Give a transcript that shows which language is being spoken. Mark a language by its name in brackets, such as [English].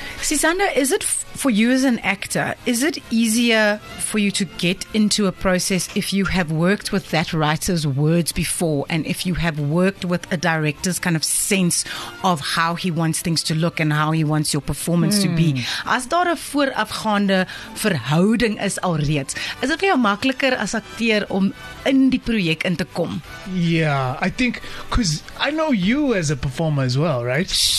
[English] Sisanda, is it for you as an actor, is it easier for you to get into a process if you have worked with that writer's words before, and if you have worked with a director's kind of sense of how he wants things to look and how he wants your performance to be? [Afrikaans] As daar 'n voorafgaande verhouding is alreeds, is dit vir jou makliker as akteur om in die projek in te kom? [English] Yeah, I think, because I know you as a performer as well, right?